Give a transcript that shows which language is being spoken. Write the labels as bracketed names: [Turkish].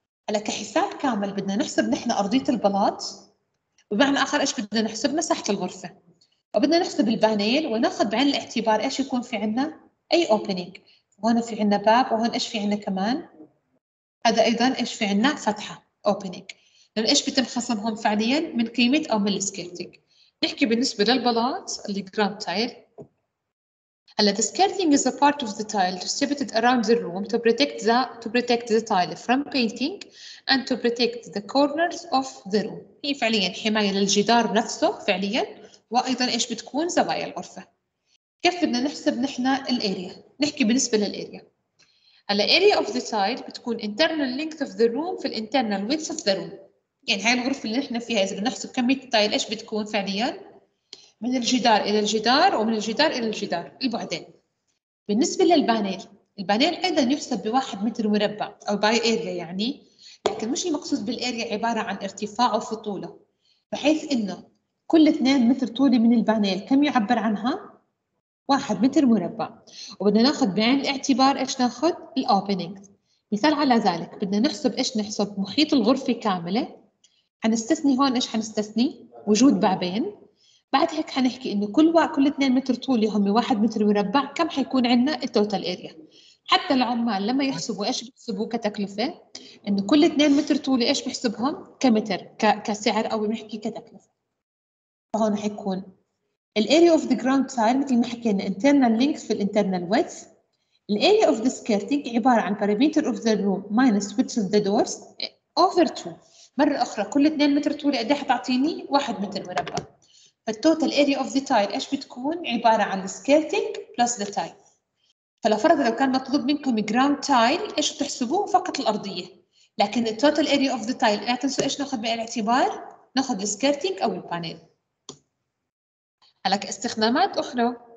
[Arabic] هلا كحساب كامل بدنا نحسب نحن أرضية البلاط، وبمعنى آخر إيش بدنا نحسب مساحة الغرفة، وبدنا نحسب البانيل، ونأخذ بعين الاعتبار إيش يكون في عنا أي opening. وهنا في عنا باب، وهنا إيش في عنا كمان، هذا أيضا إيش في عنا فتحة opening، لأن إيش بيتم خصمهم فعليا من قيمة أو من السكيرتينج. نحكي بالنسبة للبلاط اللي جراند تايل، [English] هلا the scaffolding is a part of the tile distributed around the room to protect the tile from painting and to protect the corners of the room. [Arabic] هي فعليا حماية للجدار نفسه فعليا وأيضا إيش بتكون زوايا الغرفة. كيف بدنا نحسب نحنا الأريا؟ نحكي بالنسبة للأريا. [English] هلا area of the tile [Arabic] بتكون [English] internal length of the room في internal width of the room. [Arabic] يعني هاي الغرفة اللي نحنا فيها إذا بنحسب كمية التايل إيش بتكون فعليا؟ من الجدار إلى الجدار ومن الجدار إلى الجدار البعدين. بالنسبة للبانيل، البانيل أيضا يحسب بواحد متر مربع أو باي أريا يعني، لكن مش المقصود بالأريا عبارة عن ارتفاع وطولة، بحيث إنه كل 2 متر طولي من البانيل كم يعبر عنها؟ 1 متر مربع. وبدنا ناخذ بعين الاعتبار إيش ناخذ؟ الأوبنينج. مثال على ذلك بدنا نحسب إيش نحسب محيط الغرفة كاملة، حنستثني هون إيش حنستثني؟ وجود بابين. بعد هيك حنحكي إنه كل 2 متر طولي هم 1 متر مربع، كم حيكون عندنا التوتال أريا؟ حتى العمال لما يحسبوا إيش بيحسبوا كتكلفة؟ إنه كل 2 متر طولي إيش بيحسبهم؟ كمتر كسعر أو بنحكي كتكلفة. فهون حيكون الـ [English] area of the ground tile [Arabic] مثل ما حكينا [English] internal length [Arabic] في الـ [English] internal width. الـ area of the skirting [Arabic] عبارة عن [English] parameter of the room minus width of the doors over 2. [Arabic] مرة أخرى كل 2 متر طولي قد ايش حتعطيني؟ 1 متر مربع. [English] فالـ total area of the tile [Arabic] ايش بتكون؟ عبارة عن [English] the skirting plus the tile. [Arabic] فلو فرض لو كان مطلوب منكم ground tile ايش بتحسبوه؟ فقط الأرضية. لكن الـ total area of the tile لا تنسوا ايش ناخذ بعين الاعتبار؟ ناخذ الـ skirting أو البانيل. لك استخدامات أخرى.